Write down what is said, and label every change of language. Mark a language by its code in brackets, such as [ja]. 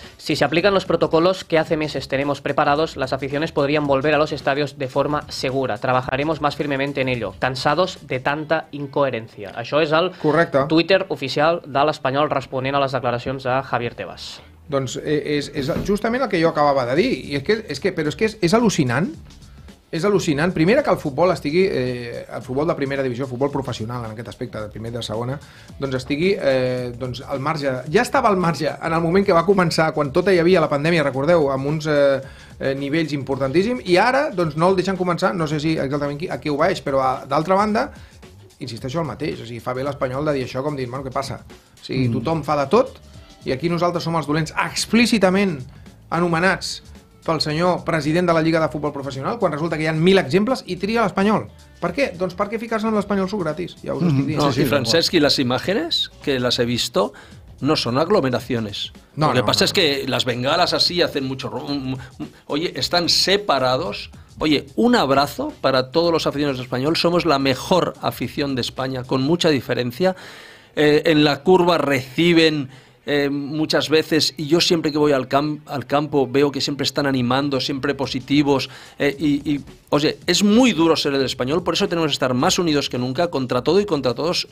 [es] Si se aplican los protocolos que hace meses tenemos preparados, las aficiones podrían volver a los estadios de forma segura. Trabajaremos más firmemente en ello, cansados de tanta incoherencia. [ca] Això és el correcte Twitter oficial de l'Espanyol responent a les declaracions de Javier Tebas. Doncs és justament el que jo acabava de dir, i és al·lucinant. És al·lucinant. Primera, que el futbol estigui, el futbol de primera divisió, el futbol professional en aquest aspecte, de primera i de segona, doncs estigui al marge. Ja estava al marge en el moment que va començar, quan tot hi havia la pandèmia, recordeu, amb uns nivells importantíssims, i ara doncs no el deixen començar, no sé si exactament a qui ho veig, però d'altra banda, insisteixo el mateix, o sigui, fa bé l'Espanyol de dir això com dir, bueno, què passa? O sigui, tothom fa de tot, i aquí nosaltres som els dolents, explícitament anomenats pel senyor president de la Lliga de Futbol Professional, quan resulta que hi ha 1.000 exemples, i tria l'Espanyol. Per què? Doncs perquè ficar-se en l'Espanyol su gratis, ja us estic dient. No, sí, Francesc, i les imatges que les he visto no són aglomeracions. [es] No, lo que no, pasa no. Es que las bengalas así hacen mucho... Oye, están separados. Oye, un abrazo para todos los aficionados de Espanyol. Somos la mejor afición de España, con mucha diferencia. En la curva reciben... muchas veces, y yo siempre que voy al campo veo que siempre están animando, siempre positivos, y oye, es muy duro ser el Español, por eso tenemos que estar más unidos que nunca contra todo y contra todos.